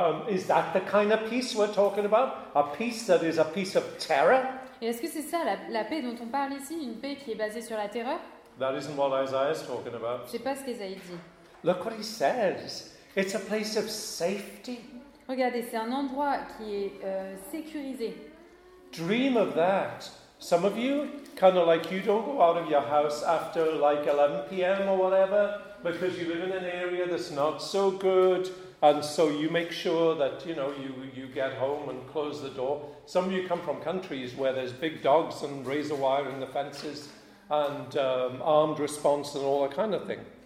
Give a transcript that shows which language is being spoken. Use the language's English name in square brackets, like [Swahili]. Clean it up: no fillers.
[English] Is that the kind of peace we're talking about? A peace that is a peace of terror? [French] Et est-ce que c'est ça la paix dont on parle ici, une paix qui est basée sur la terreur? [English] That isn't what Isaiah is talking about. [French] C'est pas ce qu'Isaïe dit. [English] Look what he says. It's a place of safety. [French] Regardez, c'est un endroit qui est sécurisé. [English] Dream of that. Some of you, kind of like you don't go out of your house after like 11 p.m. or whatever, because you live in an area that's not so good. And so you make sure that, you know, you get home and close the door. Some of you come from countries where there's big dogs and razor wire in the fences and armed response and all that kind of thing.